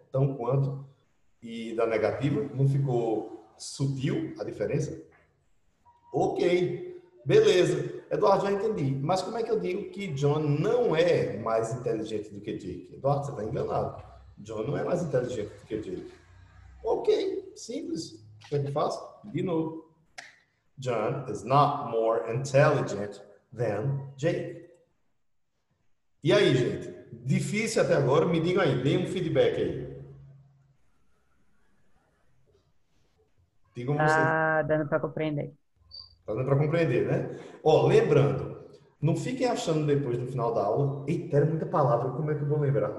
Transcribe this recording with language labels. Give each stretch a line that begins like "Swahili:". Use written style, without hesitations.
Portuguese: Tão quanto e da negativa, não ficou sutil a diferença? Ok, beleza. Eduardo, já entendi. Mas como é que eu digo que John não é mais inteligente do que Jake? Eduardo, você está enganado. John não é mais inteligente do que Jake. Ok, simples. O que é que faço? De novo.
English: John is not more intelligent than Jake.
Portuguese: E aí, gente? Difícil até agora? Me digam aí, deem um feedback aí. Digam vocês. Tá dando para compreender. Tá dando para compreender, né? Ó, lembrando, não fiquem achando depois no final da aula, eita, era muita palavra, como é que eu vou lembrar?